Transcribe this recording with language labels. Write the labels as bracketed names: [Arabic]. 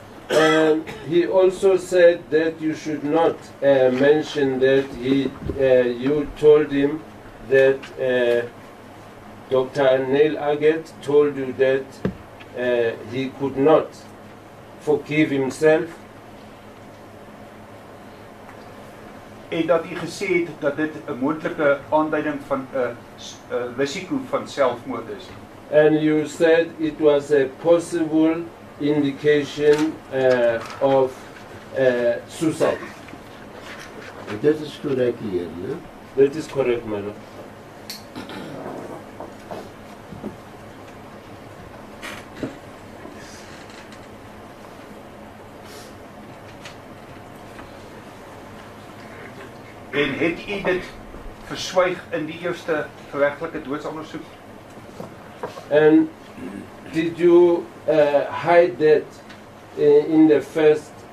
[English] And he also said that you should not mention that he, you told him that Dr. Neil Aggett told you that he could not forgive himself. [Afrikaans] En dat hy gesê het dat dit 'n moontlike aanduiding van 'n risiko van selfmoord is. [English] And you said it was a possible indication of suicide. [Afrikaans] Dit is korrek hier, né? Dit is korrek, madam. En het u dit verswyg in die eerste geregtelike doodsondersoek? [English] And did you hide that in the first